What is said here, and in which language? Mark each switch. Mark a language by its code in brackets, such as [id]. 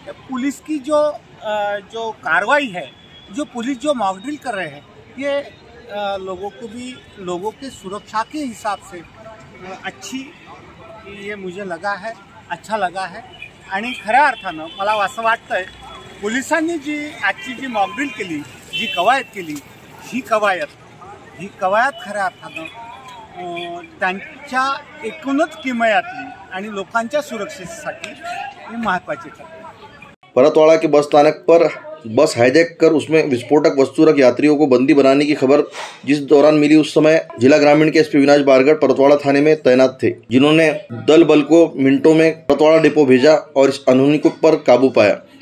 [hi] Police की जो जो कार्रवाई है, जो पुलिस जो मॉकड्रिल कर रहे हैं, ये लोगों को भी लोगों के सुरक्षा के हिसाब से अच्छी, ये मुझे लगा है, अच्छा लगा है. [mr] आणि खऱ्या अर्थानं मला असं वाटतंय पोलिसांनी जी आजची जी मॉकड्रिल केली, जी कवायत केली, ही कवायत खऱ्या अर्थानं त्यांच्या एकूणच किमयातली आणि लोकांच्या सुरक्षेसाठी ही महत्त्वाची ठरते. [hi] परतवाड़ा के बस स्थानक पर बस हाईजैक कर उसमें विस्फोटक वस्तु रख यात्रियों को बंदी बनाने की खबर जिस दौरान मिली, उस समय जिला ग्रामीण के एसपी विनाश बारगढ़ परतवाड़ा थाने में तैनात थे, जिन्होंने दल बल को मिनटों में परतवाड़ा डिपो भेजा और इस अनहोनी को पर काबू पाया.